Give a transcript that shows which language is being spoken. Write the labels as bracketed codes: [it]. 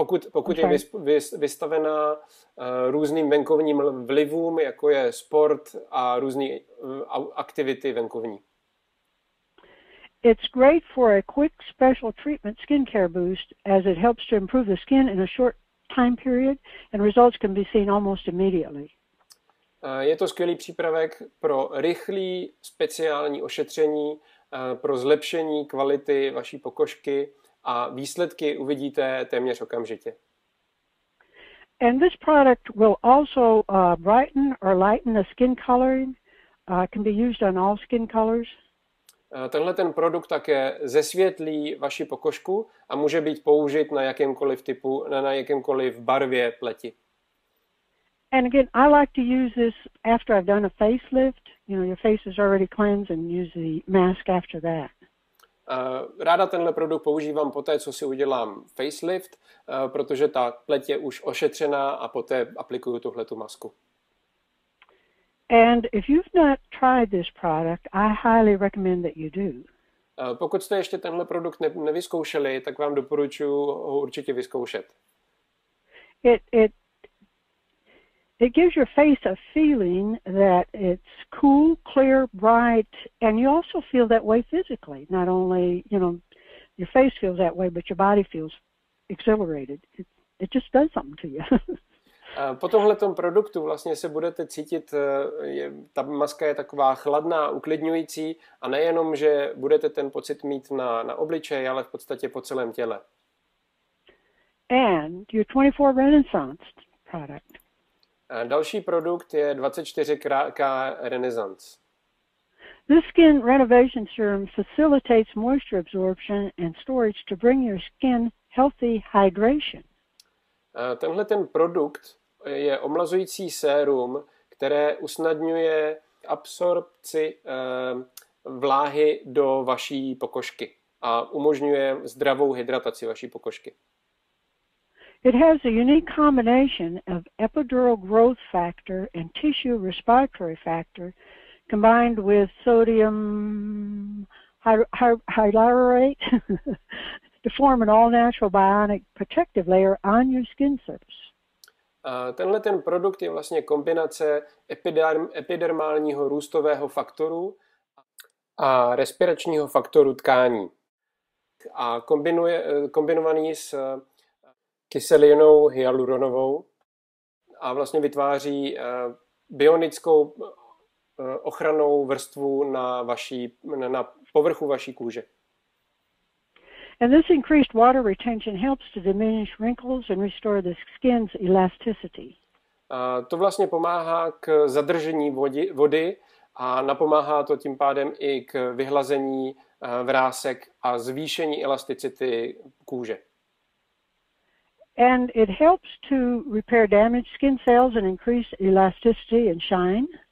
[cs] Pokud je vystavená různým venkovním vlivům, jako je sport a různé aktivity venkovní. [en] It's great for a quick special treatment skincare boost as it helps to improve the skin in a short time period and results can be seen almost immediately. [cs] Je to skvělý přípravek pro rychlý speciální ošetření, pro zlepšení kvality vaší pokožky a výsledky uvidíte téměř okamžitě. [en] And this product will also brighten or lighten the skin coloring. Can be used on all skin colors. [cs] Tenhle ten produkt také zesvětlí vaši pokožku a může být použit na jakémkoliv typu, na jakémkoliv barvě pleti. [en] And again, I like to use this after I've done a facelift. You know, your face is already cleansed and use the mask after that. [cs] Ráda tenhle produkt používám poté, co si udělám facelift, protože ta pleť je už ošetřená a poté aplikuju tuhletu masku. [en] And if you've not tried this product, I highly recommend that you do. [cs] Pokud jste ještě tenhle produkt nevyzkoušeli, tak vám doporučuji ho určitě vyzkoušet. [en] It gives your face a feeling that it's cool, clear, bright, and you also feel that way physically. Not only, you know, your face feels that way, but your body feels exhilarated. It just does something to you. [cs] Po tomhle tom produktu vlastně se budete cítit, ta maska je taková chladná, uklidňující a nejenom, že budete ten pocit mít na obličeji, ale v podstatě po celém těle. [en] And your 24 Renaissance product. [cs] Další produkt je 24K Renaissance. [en] This skin renovation serum facilitates moisture absorption and storage to bring your skin healthy hydration. [cs] Tenhle ten produkt je omlazující sérum, které usnadňuje absorpci vláhy do vaší pokožky a umožňuje zdravou hydrataci vaší pokožky. [en] It has a unique combination of epidural growth factor and tissue respiratory factor combined with sodium hyaluronate to form an all-natural bionic protective layer on your skin surface. [cs] Tenhle ten produkt je vlastně kombinace epidermálního růstového faktoru a respiračního faktoru tkání. A kombinovaný s kyselinou hyaluronovou a vlastně vytváří bionickou ochrannou vrstvu na povrchu vaší kůže. [en] And this increased water retention helps to diminish wrinkles and restore the skin's elasticity. [cs] To vlastně pomáhá k zadržení vody a napomáhá to tím pádem i k vyhlazení vrásek a zvýšení elasticity kůže. [en] And it helps to repair damaged skin cells and increase elasticity and shine.